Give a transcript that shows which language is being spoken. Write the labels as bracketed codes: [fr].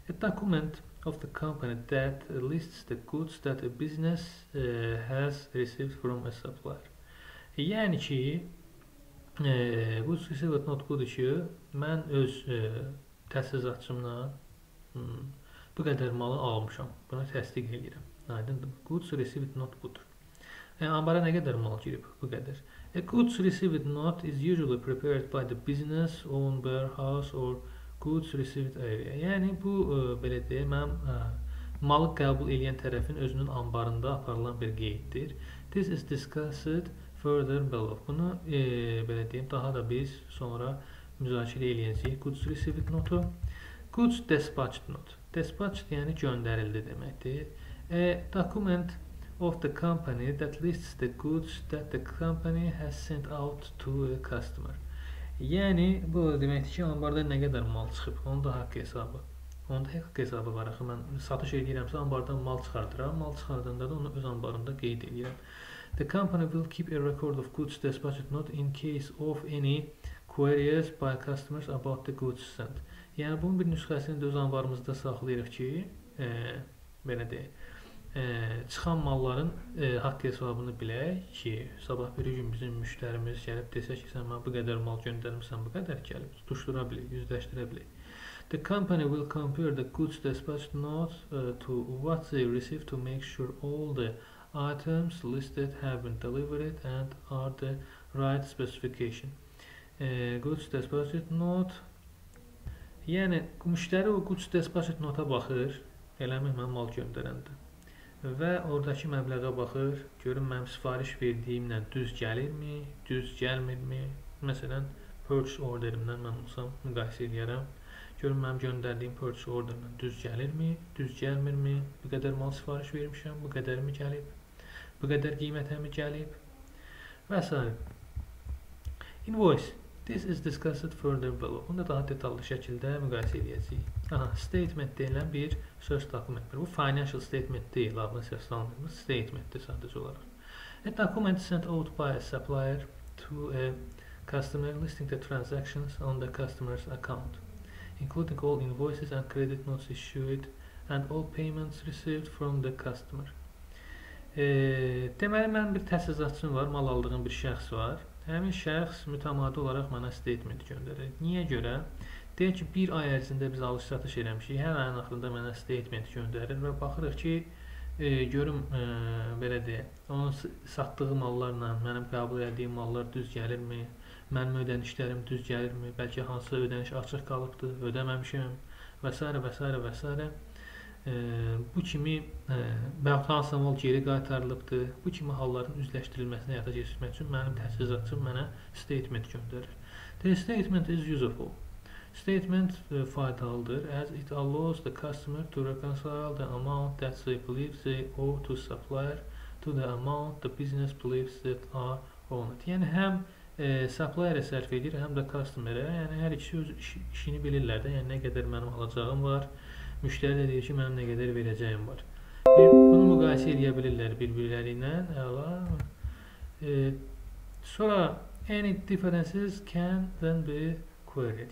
[en] A document of the company that lists the goods that a business has received from a supplier. [az] Yəni ki, goods received note budur ki, mən öz təchizatçımla bu qədər malı almışam. Buna təsdiq edirəm. Aydındır. Goods received note budur. Ambara nə qədər mal girib bu qədər? [en] A goods received note is usually prepared by the business owned warehouse or goods received area. [az] Yəni bu belə deyə, mən malı qəbul edən tərəfin özünün ambarında aparılan bir qeyddir. [en] This is discussed further below. [az] Bunu belə deyim, daha da biz sonra müzakirə eləyəcəyik. Goods received note. Goods dispatched note. Dispatched yəni göndərildi deməkdir. [en] A document of the company that lists the goods that the company has sent out to a customer. [az] Yəni bu deməkdir ki, ambarda nə qədər mal çıxıb, onun da haqq hesabı. Onun da haqq hesabı var axı. Mən satış edirəmsə ambardan mal çıxardıram. Mal çıxardığımda da onu öz ambarımda qeyd edirəm. [en] The company will keep a record of goods dispatched not in case of any queries by customers about the goods sent. [az] Yəni bunun bir nüsxəsini də öz ambarımızda saxlayırıq ki, belə deyək. Çıxan malların haqq hesabını bilək ki, sabah bir gün bizim müştərimiz gəlib desə ki, sən mənə bu qədər mal göndərmişsən, bu qədər gəlib, tutuşdura bilək, yüzləşdirə bilək. [en] The company will compare the goods dispatched notes to what they received to make sure all the items listed have been delivered and are the right specification. [az] Goods dispatched note. Yəni, müştəri o goods dispatched nota baxır, eləmi, mən mal göndərəndə. Və oradakı məbləğə baxır, görün mənim sifariş verdiyimlə düz gəlirmi, düz gəlmirmi. Məsələn, purchase orderimdən mən olsam müqayisə edirəm. Görün mənim göndərdiyim purchase orderimlə düz gəlirmi, düz gəlmirmi. Bu qədər mal sifariş vermişəm, bu qədərmi gəlib, bu qədər qiymətəmi gəlib və s. Invoice. [en] This is discussed further below. [az] Bunu da daha detallı şəkildə müqayisə edəcəyik. Aha, statement deyilən bir söz dokumentdir. Bu financial statement deyil, adını səslandırmış statementdir sadəcə olaraq. [en] A document sent out by a supplier to a customer listing the transactions on the customer's account, including all invoices and credit notes issued and all payments received from the customer. [az] Deməli, mənim bir təchizatçım var, mal aldığım bir şəxs var. Həmin şəxs mütəmadi olaraq mənə statement göndərir. Niyə görə? Deyək ki, bir ay ərzində biz alış-satış eləmişik, hər ayın axırında mənə statement göndərir və baxırıq ki, görüm, belə deyək, onun satdığı mallarla mənim qəbul etdiyim mallar düz gəlirmi, mənim ödənişlərim düz gəlirmi, bəlkə hansısa ödəniş açıq qalıbdır, ödəməmişim və s. və s. və s. Bu kimi bəlkə hansısa mal geri qaytarılıbdır, bu kimi halların üzləşdirilməsinə yata geçirmək üçün mənim təchizatçım mənə statement göndərir. [en] The statement is useful. [az] Statement faydalıdır, [en] as it allows the customer to reconcile the amount that they believe they owe to supplier to the amount the business believes that are owed. [az] Yəni, həm supplier-ə sərf edir, həm də customer-ə, yəni hər iki öz işini bilirlər də, yəni nə qədər mənim alacağım var, müştəri də deyir ki, mənim nə qədər verəcəyim var. Bunu müqayisə edə bilirlər bir-birləri ilə, əla. [en] Sonra, any differences can then be queried.